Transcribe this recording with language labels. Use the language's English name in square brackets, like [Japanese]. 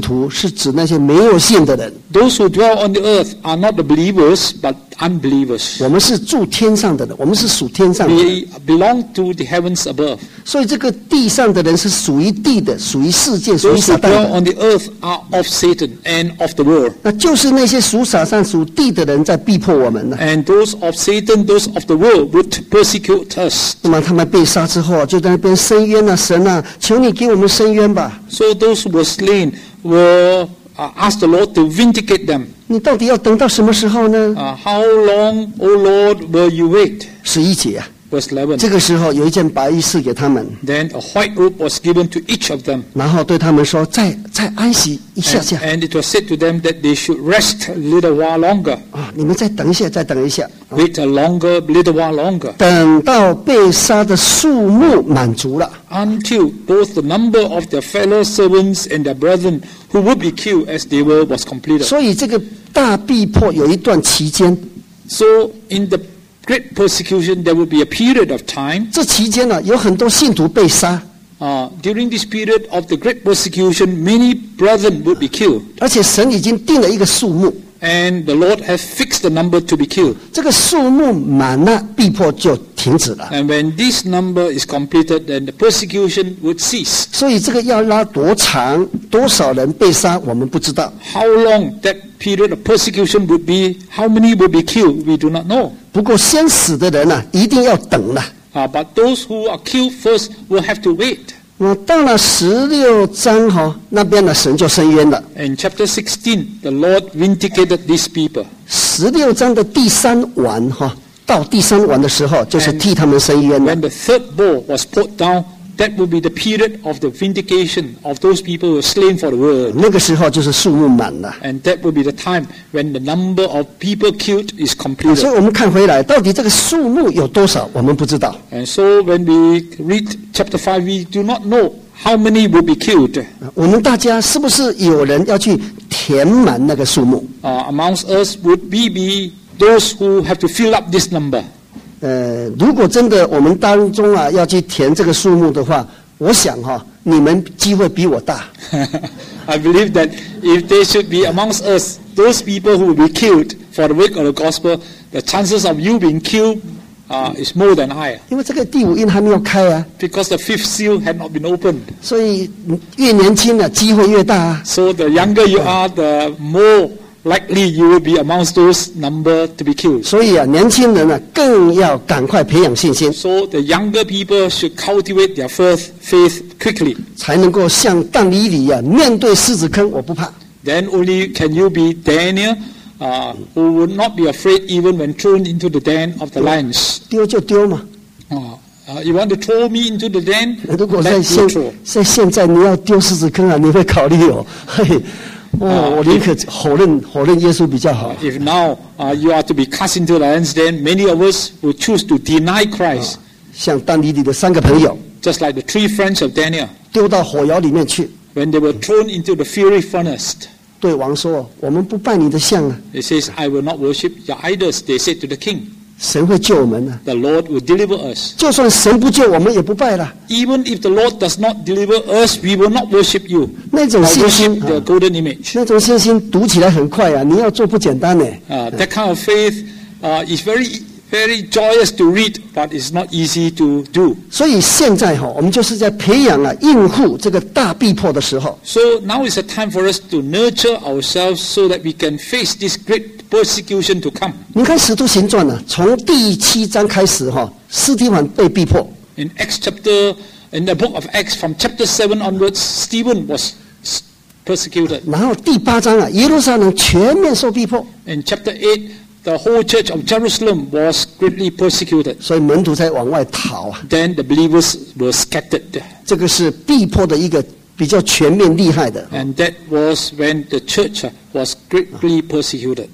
[Chinese] 住在地上的人不是信徒，是指那些没有信的人。 [English] Those who dwell on the earth are not the believers, but unbelievers. [Chinese] 我们是住天上的人，我们是属天上的人。 [English] We belong to the heavens above. [Chinese] 所以这个地上的人是属于地的，属于世界，属于撒旦的。 [English] Those who dwell on the earth are of Satan and of the world. [Chinese] 那就是那些属撒旦、属地的人在逼迫我们呢。And [English] those of Satan, those of the world, would persecute us. [Chinese] 那么他们被杀之后，就在那边伸冤呐，神呐，求你给我们伸冤吧。 [English] So those who were slain were ask the Lord to vindicate them. [Chinese] 你到底要等到什么时候呢？ [English] How long, O Lord, will you wait? [Chinese] 11节啊。 [English] Verse 11. [Chinese] 这个时候有一件白衣赐给他们。 [English] Then a white robe was given to each of them. [Chinese] 然后对他们说，再安息一下下。 [English] And it was said to them that they should rest a little while longer. [Chinese] 你们再等一下。 [English] Wait a longer, little while longer. [Chinese] 等到被杀的数目满足了。 [English] Until both the number of their fellow servants and their brethren who would be killed as they were was completed. [Chinese] 所以这个大逼迫有一段期间。 [English] So in the great persecution, there will be a period of time. [Chinese] 这期间呢，有很多信徒被杀。 [English] During this period of the great persecution, many brethren would be killed. [Chinese] 而且神已经定了一个数目。 [English] And the Lord has fixed the number to be killed. [Chinese] 这个数目满了，逼迫就停止了。 [English] And when this number is completed, then the persecution would cease. [Chinese] 所以这个要拉多长，多少人被杀，我们不知道。 [English] How long that period of persecution would be, how many would be killed, we do not know. [Chinese] 不过先死的人啊，一定要等了。 [English] But those who are killed first will have to wait. [Chinese] 到了16章，那边呢，神就伸冤了。 [English] In chapter 16, the Lord vindicated these people. [Chinese] 16章的第三晚，到第三晚的时候，就是替他们伸冤了。 [English] When the third bowl was put down, that would be the period of the vindication of those people who were slain for the world. [Chinese] 那个时候就是数目满了。 [English] And that would be the time when the number of people killed is completed. [Chinese] 所以我们看回来，到底这个数目有多少，我们不知道。 [English] And so when we read chapter 5, we do not know how many will be killed. [Chinese] 我们大家是不是有人要去填满那个数目？ [English] Amongst us would be those who have to fill up this number. [Chinese] 如果真的我们当中啊要去填这个数目的话，我想哈，你们机会比我大。 [English] I believe that if there should be amongst us those people who will be killed for the work of the gospel, the chances of you being killed is more than high. [Chinese] 因为这个第五印还没有开啊。 [English] Because the fifth seal had not been opened. [Chinese] 所以越年轻的机会越大啊。 So [English] the younger you are, the more likely you will be amongst those number to be killed. [Chinese] 所以啊，年轻人啊，更要赶快培养信心。 [English] So the younger people should cultivate their first faith quickly. [Chinese] 才能够像但以理啊，面对狮子坑我不怕。 [English] Then only can you be Daniel, who would not be afraid even when thrown into the den of the lions. [Chinese] 丢就丢嘛。 [English] You want to throw me into the den? [Chinese] 如果在现在你要丢狮子坑啊，你会考虑哦。我宁可否认耶稣比较好。 [English] If now you are to be cast into the lions, then many of us will choose to deny Christ. [Chinese] 像但以理的三个朋友， [English] just like the three friends of Daniel, [Chinese] 丢到火窑里面去。 [English] When they were thrown into the fiery furnace, [Chinese] 对王说，我们不拜你的像啊。 [English] He says, I will not worship your idols, they said to the king. [Chinese] 神会救我们啊。 [English] The Lord will deliver us. [Chinese] 就算神不救我们也不拜了。 [English] Even if the Lord does not deliver us, we will not worship you. [Chinese] 那种信心, [English] the golden image. [Chinese] 那种信心读起来很快啊, 你要做不简单耶。 [English] That kind of faith is very, very joyous to read, but it's not easy to do. [Chinese] 所以现在, 我们就是在培养啊, 应付这个大逼迫的时候。 [English] So now is the time for us to nurture ourselves so that we can face this great persecution to come. [Chinese] 你看使徒行传啊, 从第七章开始, 斯提凡被逼迫。 [English] In Acts chapter, in the book of Acts, from chapter 7 onwards, Stephen was persecuted. [Chinese] 然后第八章啊, 耶路撒冷全面受逼迫。 [English] In chapter 8, the whole church of Jerusalem was greatly persecuted. [Chinese] 所以门徒在往外逃。 [English] Then the believers were scattered. [Chinese] 这个是逼迫的一个比较全面厉害的。 [English] And that was when the church was greatly persecuted.